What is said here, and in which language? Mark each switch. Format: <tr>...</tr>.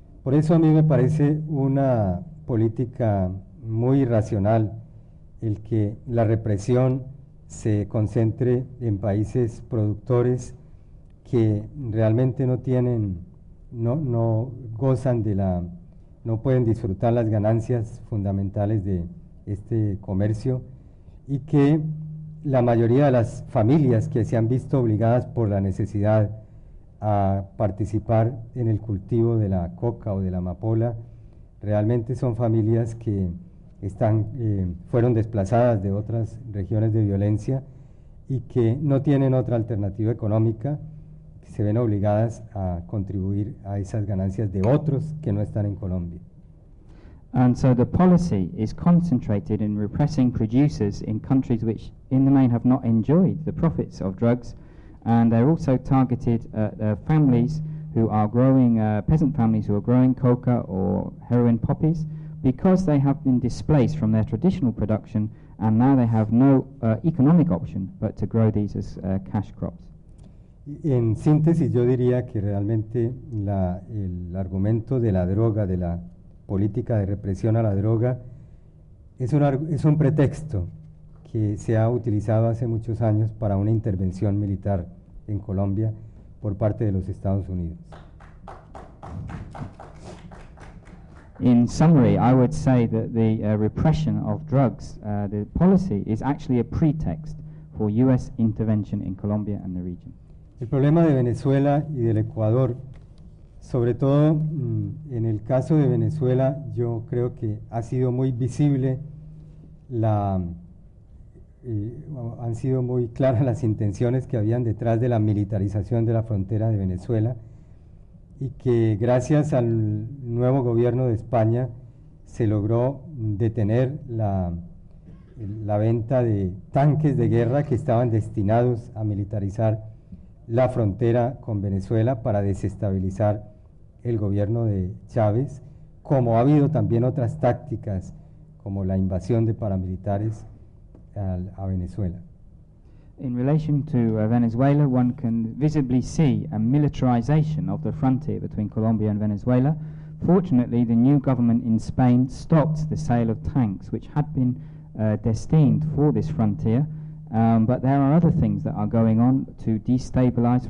<es>Por eso a mí me parece una política muy irracional el que la represión se concentre en países productores que realmente no tienen, no gozan de la, no pueden disfrutar las ganancias fundamentales de este comercio, y que la mayoría de las familias que se han visto obligadas por la necesidad a participar en el cultivo de la coca o de la amapola, realmente son familias que están, fueron desplazadas de otras regiones de violencia y que no tienen otra alternativa económica, que se ven obligadas a contribuir a esas ganancias de otros que no están en Colombia.</es> <en>And so the policy is concentrated in repressing producers in countries which in the main have not enjoyed the profits of drugs, and they're also targeted at families who are growing, peasant families who are growing coca or heroin poppies, because they have been displaced from their traditional production and now they have no economic option but to grow these as cash crops.</en> <es>En síntesis, yo diría que realmente el argumento de la droga, de la política de represión a la droga, es un pretexto que se ha utilizado hace muchos años para una intervención militar en Colombia por parte de los Estados Unidos.</es> <en>In summary, I would say that the repression of drugs, the policy is actually a pretext for US intervention in Colombia and the region.</en> <es>El problema de Venezuela y del Ecuador, sobre todo en el caso de Venezuela, yo creo que ha sido muy visible, han sido muy claras las intenciones que habían detrás de la militarización de la frontera de Venezuela, y que gracias al nuevo gobierno de España se logró detener la venta de tanques de guerra que estaban destinados a militarizar la frontera con Venezuela para desestabilizar el gobierno de Chávez, como ha habido también otras tácticas, como la invasión de paramilitares a Venezuela.</es> <en>In relation to Venezuela, one can visibly see a militarization of the frontier between Colombia and Venezuela. Fortunately, the new government in Spain stopped the sale of tanks, which had been destined for this frontier. But there are other things that are going on to destabilize.</en>